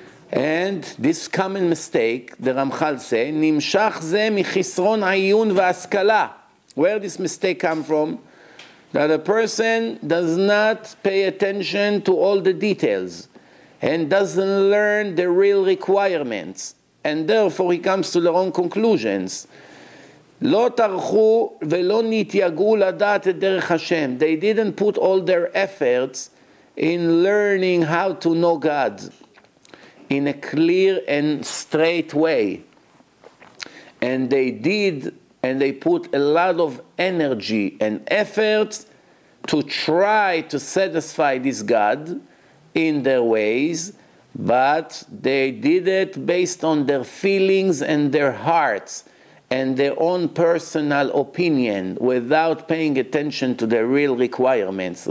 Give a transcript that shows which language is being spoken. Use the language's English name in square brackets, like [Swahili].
[English] And this common mistake, the Ramchal say, [Hebrew] Nimshach ze michisron ayun vaskala. [English] Where this mistake come from? That a person does not pay attention to all the details and doesn't learn the real requirements. And therefore he comes to the wrong conclusions. [Hebrew] לא תרחו ולא נתייגו לדעת את דרך השם. [English] They didn't put all their efforts in learning how to know God in a clear and straight way. And they did, and they put a lot of energy and efforts to try to satisfy this God in their ways, but they did it based on their feelings and their hearts and their own personal opinion, without paying attention to the real requirements.